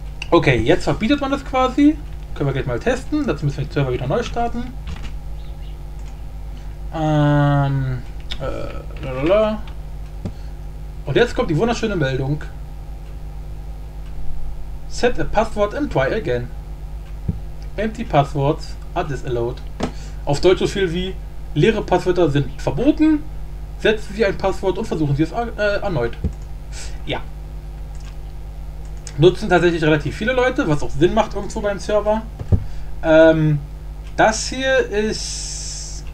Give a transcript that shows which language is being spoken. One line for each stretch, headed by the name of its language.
German: Okay, jetzt verbietet man das quasi. Können wir gleich mal testen. Dazu müssen wir den Server wieder neu starten. Lalala. Und jetzt kommt die wunderschöne Meldung.
English: Set a password and try again. Empty passwords are disallowed.
German: Auf Deutsch so viel wie leere Passwörter sind verboten. Setzen Sie ein Passwort und versuchen Sie es erneut. Ja. Nutzen tatsächlich relativ viele Leute, was auch Sinn macht irgendwo beim Server. Das hier ist.